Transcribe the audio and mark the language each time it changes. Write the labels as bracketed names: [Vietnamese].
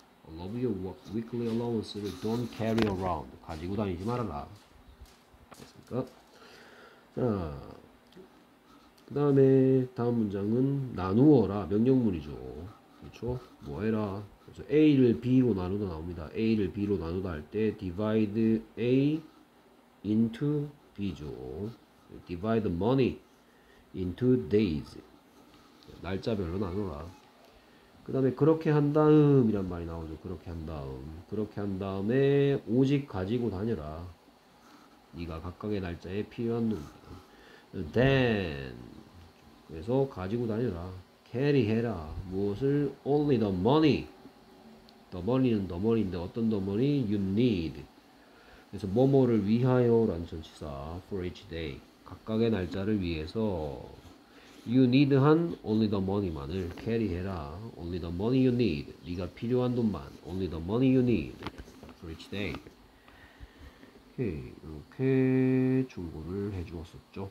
[English] All of your weekly allowance를 don't carry around. [Korean] 가지고 다니지 말아라. 됐습니까? 자, 그 다음에 다음 문장은 나누어라. 명령문이죠. 그렇죠? 뭐 해라. 그래서 A를 B로 나누다 나옵니다. A를 B로 나누다 할 때 divide A into B죠. [English] Divide money into days. [Korean] 날짜별로 나누라. 그 다음에 그렇게 한 다음이란 말이 나오죠. 그렇게 한 다음. 그렇게 한 다음에 오직 가지고 다녀라. 네가 각각의 날짜에 필요한 돈. [English] Then. [Korean] 그래서 가지고 다녀라. Carry 해라. 무엇을? [English] Only the money. The money는 the money인데 어떤 the money? You need. [Korean] 그래서 뭐뭐를 위하여 라는 전치사. [English] For each day. [Korean] 각각의 날짜를 위해서 [English] You need 한 only the money만을 carry 해라. Only the money you need. [Korean] 네가 필요한 돈만. [English] Only the money you need for each day. [Korean] 오케이. 이렇게 충고를 해주었었죠.